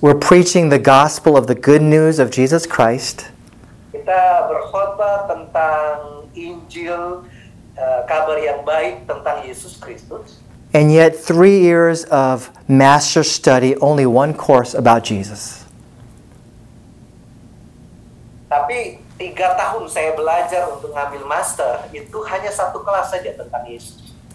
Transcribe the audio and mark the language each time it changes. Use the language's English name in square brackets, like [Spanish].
[English] We're preaching the gospel of the good news of Jesus Christ. [Indonesian] Kita berkhotbah tentang Injil, kabar yang baik tentang Yesus Kristus. [English] And yet 3 years of master's study, only one course about Jesus. [Indonesian] Tapi 3 tahun saya belajar untuk ngambil master, itu hanya satu kelas saja tentang Yesus.